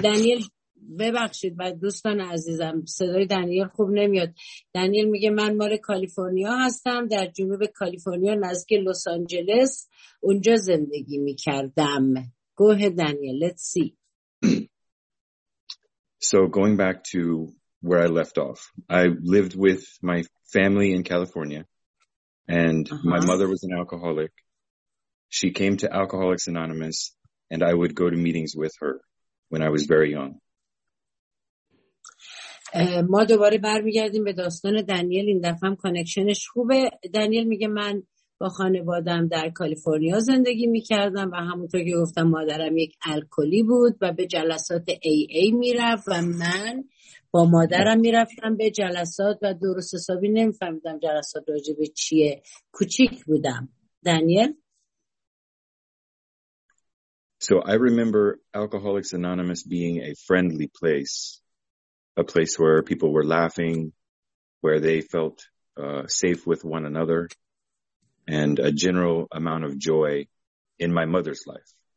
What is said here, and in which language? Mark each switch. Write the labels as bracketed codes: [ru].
[fa] Daniel, ببخشید با دوستان عزیزم، صدای دانیل خوب نمیاد. دانیل میگه من مال کالیفرنیا هستم، در جنوب کالیفرنیا نزدیک لس آنجلس اونجا زندگی میکردم. [en] Go ahead, Daniel. Let's see. So going back to where I left off, I lived with my family in California, and my mother was an alcoholic. She came to Alcoholics Anonymous, and I would go to meetings with her when I was very young. [fa] ما دوباره برمیگردیم به داستان دانیل. این دفعه هم کانکشنش خوبه. دانیل میگه من با خانوادم در کالیفرنیا زندگی میکردم و همونطور که گفتم مادرم یک الکلی بود و به جلسات AA میرفت و من با مادرم میرفتم به جلسات و درست حسابی نمیفهمیدم جلسات راجع به چیه. کوچیک بودم. دانیل: [en] So I remember Alcoholics Anonymous being a friendly place. A place where people were laughing, where they felt safe with one another, and a general amount of joy in my mother's life.